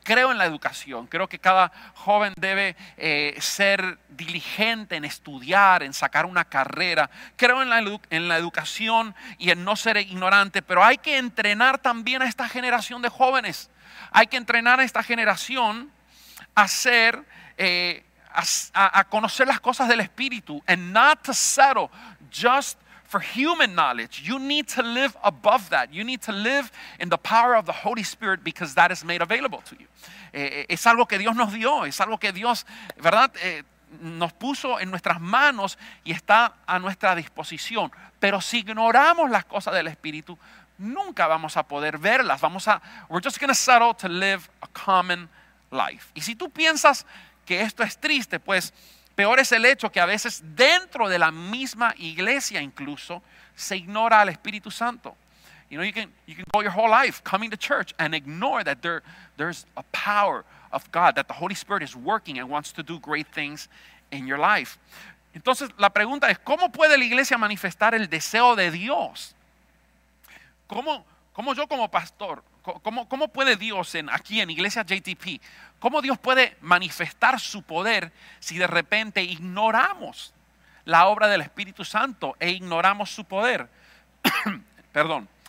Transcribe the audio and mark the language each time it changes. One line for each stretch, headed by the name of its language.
Spanish: Creo en la educación. Creo que cada joven debe ser diligente en estudiar, en sacar una carrera. Creo en la educación y en no ser ignorante. Pero hay que entrenar también a esta generación de jóvenes. Hay que entrenar a esta generación a conocer las cosas del Espíritu.
English: And not to settle just for human knowledge. You need to live above that. You need to live in the power of the Holy Spirit because that is made available to you.
Spanish: Es algo que Dios nos dio. Es algo que Dios, ¿verdad? Nos puso en nuestras manos y está a nuestra disposición. Pero si ignoramos las cosas del Espíritu, nunca vamos a poder verlas.
English: We're just going to settle to live a common life.
Spanish: Y si tú piensas que esto es triste, pues peor es el hecho que a veces dentro de la misma iglesia incluso se ignora al Espíritu Santo.
English: You know, you can go your whole life coming to church and ignore that there's a power of God, that the Holy Spirit is working and wants to do great things in your life.
Spanish: Entonces, la pregunta es, ¿cómo puede la iglesia manifestar el deseo de Dios? ¿Cómo yo como pastor, cómo puede Dios aquí en Iglesia JTP, cómo Dios puede manifestar su poder si de repente ignoramos la obra del Espíritu Santo e ignoramos su poder? Perdón.